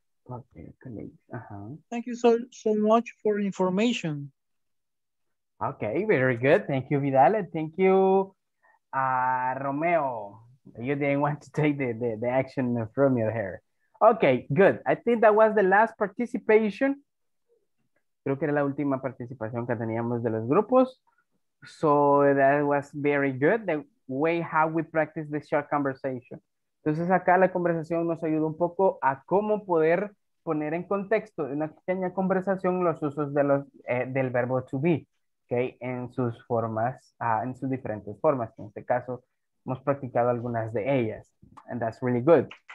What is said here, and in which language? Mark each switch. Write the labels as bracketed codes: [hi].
[en] Okay, colleagues. Uh-huh. Thank you so much for information. Okay, very good. Thank you, Vidal. Thank you, Romeo. You didn't want to take the action from your hair. Okay, good. I think that was the last participation. [es] Creo que era la última participación que teníamos de los grupos. [en] So that was very good, the way how we practice the short conversation. [es] Entonces acá la conversación nos ayuda un poco a cómo poder poner en contexto de una pequeña conversación los usos de los, del verbo to be. Okay, en sus formas, en sus diferentes formas. En este caso, hemos practicado algunas de ellas. [en] And that's really good.